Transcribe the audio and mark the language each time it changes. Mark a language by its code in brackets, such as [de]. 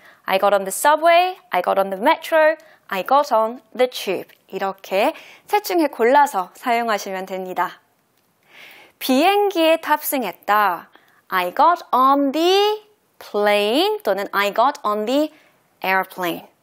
[en] I got on the subway, I got on the metro, I got on the tube. [ko] 이렇게 셋 중에 골라서 사용하시면 됩니다. 비행기에 탑승했다. [en] I got on the plane [ko] 또는 [en] I got on the airplane.